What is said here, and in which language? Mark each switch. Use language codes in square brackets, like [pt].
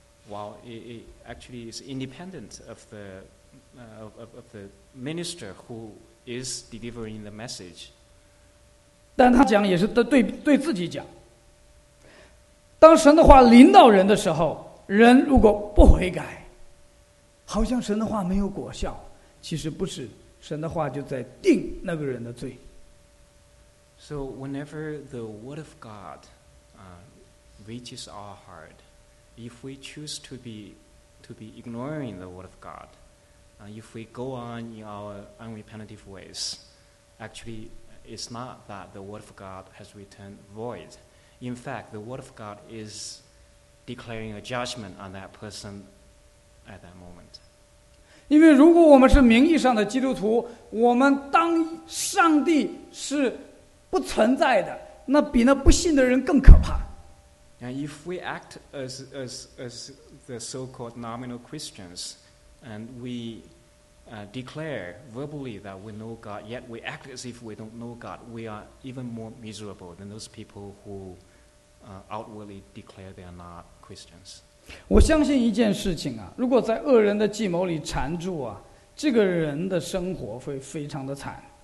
[en] While it actually is independent of the of the minister who is delivering the message. [zh] 但他讲也是对自己讲。当神的话临到人的时候，人如果不悔改，好像神的话没有果效，其实不是，神的话就在定那个人的罪。 [en] So whenever the word of God reaches our heart, if we choose to be ignoring the word of God, if we go on in our unrepentive ways, actually it's not that the word of God has returned void. In fact, the word of God is declaring a judgment on that person at that moment. [zh] 因为如果我们是名义上的基督徒，我们当上帝是不存在的，那比那不信的人更可怕。 [en] And if we act as the so-called nominal Christians, and we declare verbally that we know God, yet we act as if we don't know God, we are even more miserable than those people who outwardly declare they are not Christians. [zh] 我相信一件事情啊，如果在恶人的计谋里缠住啊，这个人的生活会非常的惨。